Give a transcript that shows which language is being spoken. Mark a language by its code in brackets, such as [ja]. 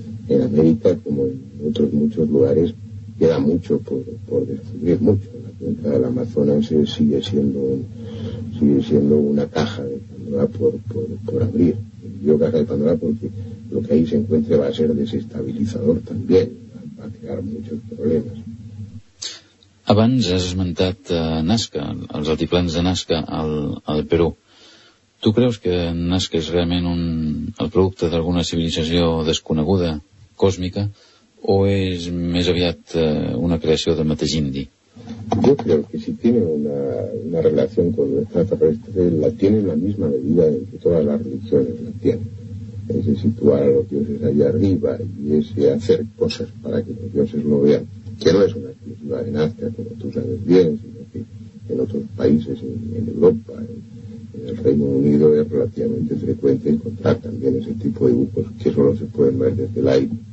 [es] En América, como en otros muchos lugares, queda mucho por descubrir, mucho. La cuenca del Amazonas sigue siendo una caja de Pandora por abrir. Yo caja de Pandora porque lo que ahí se encuentre va a ser desestabilizador también, va a crear muchos problemas. [ca] Abans has esmentat Nazca, els altiplans de Nazca al Perú. Tu creus que Nazca és realment el producte d'alguna civilització desconeguda, cósmica, o és més aviat una creació del mateix indi? [es] Yo creo que si tiene una relación con los extraterrestres, la tiene en la misma medida en que todas las religiones la tienen. Ese situar a los dioses ahí arriba y ese hacer cosas para que los dioses lo vean, que no es una exclusiva de Nazca, como tú sabes bien, sino que en otros países, en Europa, en el Reino Unido, es relativamente frecuente encontrar también ese tipo de dibujos que solo se pueden ver desde el aire.